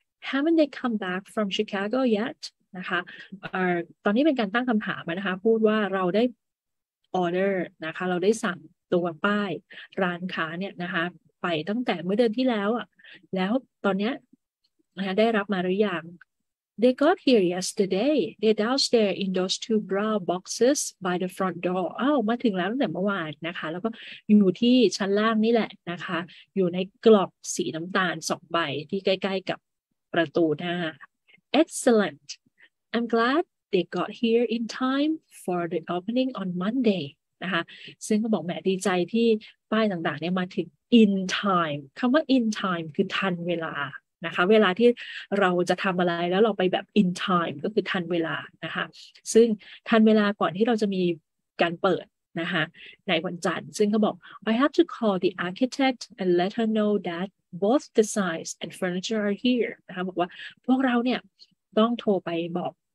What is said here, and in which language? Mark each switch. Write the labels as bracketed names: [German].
[English] Haven't they come back from Chicago yet? [Thai] นะคะตอนนี้เป็นการตั้งคำถามนะคะพูดว่าเราได้ order นะคะเราได้สั่งตัวป้ายร้านค้าเนี่ยนะคะไปตั้งแต่เมื่อเดือนที่แล้วอ่ะแล้วตอนนี้นะได้รับมาหรือยัง [English] They got here yesterday. They're downstairs in those two brown boxes by the front door. [Thai] อ้าวมาถึงแล้วตั้งแต่เมื่อวานนะคะแล้วก็อยู่ที่ชั้นล่างนี่แหละนะคะอยู่ในกล่องสีน้ำตาล2 ใบที่ใกล้ๆกับประตูหน้า [English] Excellent. I'm glad they got here in time for the opening on Monday. [Thai] นะคะซึ่งก็บอกแหมดีใจที่ป้ายต่างๆเนี่ยมาถึง in time. คำว่า in time คือทันเวลานะคะเวลาที่เราจะทำอะไรแล้วเราไปแบบ in time ก็คือทันเวลานะคะซึ่งทันเวลาก่อนที่เราจะมีการเปิดนะคะในวันจันทร์ซึ่งเขาบอก [English] I have to call the architect and let her know that both the size and furniture are here [Thai] นะคะบอกว่าพวกเราเนี่ยต้องโทรไปบอก